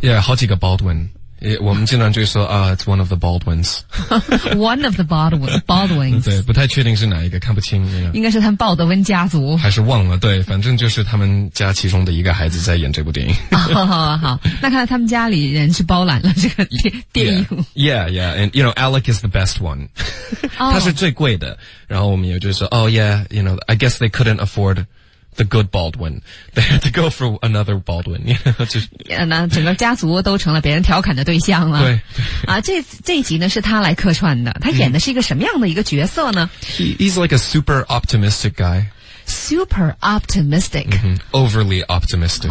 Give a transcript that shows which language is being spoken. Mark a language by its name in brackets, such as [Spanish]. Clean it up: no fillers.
[Chinese] Yeah, yeah 好几个 Baldwin. 我们经常就说啊、 [English] it's one of the Baldwins. one of the Baldwins. [Chinese] 对，不太确定是哪一个，看不清。 [English] You know? [Chinese] 应该是他们鲍德温家族。还是忘了，对，反正就是他们家其中的一个孩子在演这部电影。好好好，那看来他们家里人是包揽了这个电影。 [English] Yeah, yeah, yeah, and you know, Alec is the best one. 、 [Chinese] oh. 他是最贵的。然后我们也就说 [English] oh yeah, you know, I guess they couldn't afford... The good Baldwin. They had to go for another Baldwin. [Chinese] Yeah, 那整个家族都成了别人调侃的对象了。对。啊，这一集呢是他来客串的。他演的是一个什么样的一个角色呢？ [English] He's like a super optimistic guy. Super optimistic.、 Mm-hmm. Overly optimistic.